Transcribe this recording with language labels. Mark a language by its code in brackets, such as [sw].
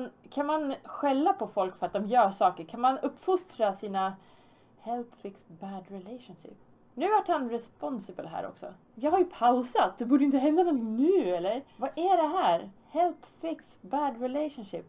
[sv] Kan man skälla på folk för att de gör saker? Kan man uppfostra sina... [en] Help fix bad relationship. [sv] Nu vart han responsible här också. Jag har ju pausat. Det borde inte hända någonting nu, eller? Vad är det här? [en] Help fix bad relationship.